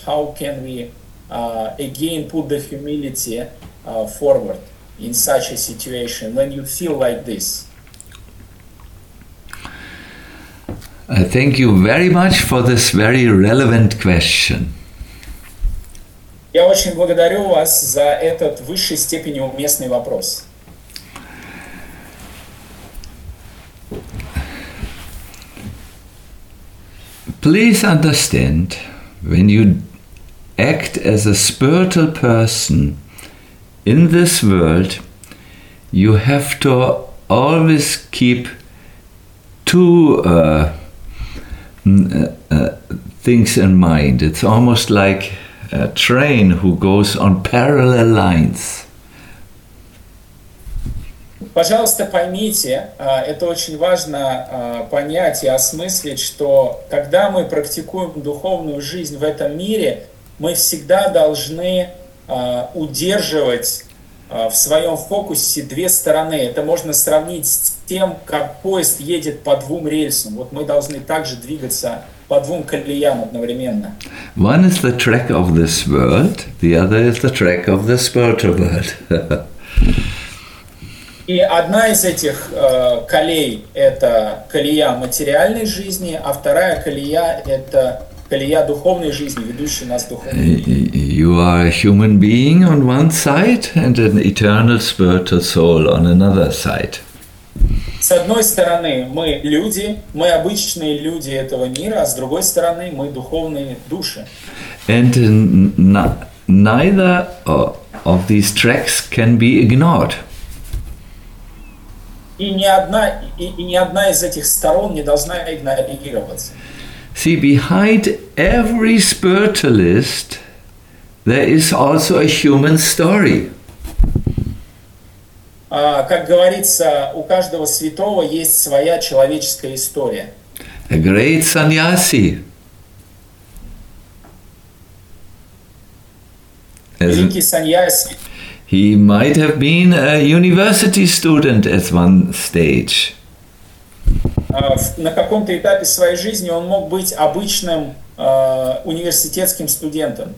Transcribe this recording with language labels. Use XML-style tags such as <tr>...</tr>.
<en>How can we again put the humility forward in such a situation, when you feel like this? I thank you very much for this very relevant question.</en> <ru>Я очень благодарю вас за этот в высшей степени уместный вопрос.</ru> <en>Please understand, when you act as a spiritual person in this world, you have to always keep two things in mind. It's almost like a train who goes on parallel lines.</en> <ru>Пожалуйста, поймите, это очень важно понять и осмыслить, что когда мы практикуем духовную жизнь в этом мире, мы всегда должны удерживать в своем фокусе две стороны. Это можно сравнить с тем, как поезд едет по двум рельсам. Вот мы должны также двигаться по двум колеям одновременно.</ru> <en>One is the track of this world, the other is the track of the spiritual world.</en> <ru>И одна из этих колей – это колея материальной жизни, а вторая колея – это колея духовной жизни, ведущая нас в духовную жизнь.</ru> <en>You are a human being on one side and an eternal spiritual soul on another side.</en> <ru>С одной стороны, мы люди, мы обычные люди этого мира, а с другой стороны, мы духовные души.</ru> <en>And neither of these tracks can be ignored.</en> <ru>И ни одна из этих сторон не должна игнорироваться.</ru> <en>See, behind every spiritualist, there is also a human story.</en> <ru>Как говорится, у каждого святого есть своя человеческая история.</ru> <en>A great sannyasi.</en> <ru>Великий sannyasi.</ru> <en>He might have been a university student at one stage.</en> <ru>На каком-то этапе своей жизни он мог быть обычным университетским студентом.</ru>